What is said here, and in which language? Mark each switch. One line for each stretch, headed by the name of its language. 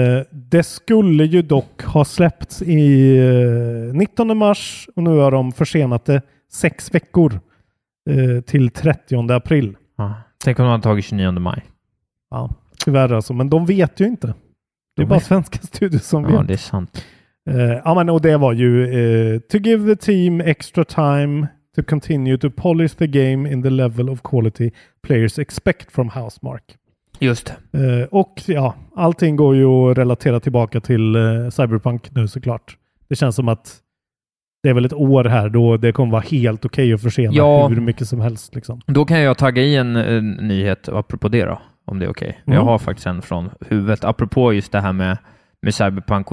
Swedish: Det skulle ju dock ha släppts i 19 mars och nu har de försenat det 6 veckor till 30 april. Tänk om de hade tagit 29 maj. Ja, tyvärr alltså. Men de vet ju inte. Det är bara svenska studier som vet. Ja, det är sant. Men, och det var ju
English: to give the team extra time to continue to polish the game in the level of quality players expect from Housemark.
Swedish: Just. Och ja, allting går ju att relatera tillbaka till Cyberpunk nu såklart. Det känns som att det är väl ett år här då det kommer vara helt okej att försena hur mycket som helst. Liksom. Då kan jag tagga i en nyhet apropå det då, om det är okej. Okay. Mm. Jag har faktiskt en från huvudet apropå just det här med Cyberpunk.